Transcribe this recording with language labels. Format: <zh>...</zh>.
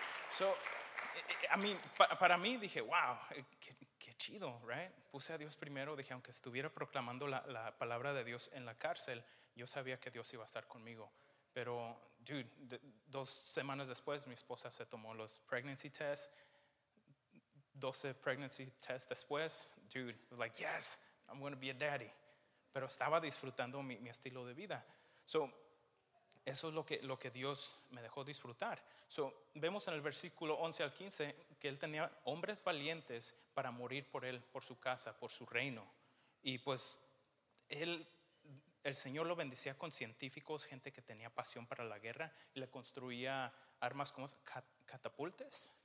<es>So, a mí, para mí dije, wow, qué chido, right? Puse a Dios primero, dije, aunque estuviera proclamando la palabra de Dios en la cárcel, yo sabía que Dios iba a estar conmigo. Pero, dude, 2 semanas después, mi esposa se tomó los pregnancy tests.</es> <en>12 pregnancy tests después, dude, was like, yes, I'm going to be a daddy.</en> <es>Pero estaba disfrutando mi estilo de vida. So, eso es lo que Dios me dejó disfrutar. So, vemos en el versículo 11 al 15 que él tenía hombres valientes para morir por él, por su casa, por su reino. Y pues, el Señor lo bendecía con científicos, gente que tenía pasión para la guerra, y le construía armas como catapultes,</es>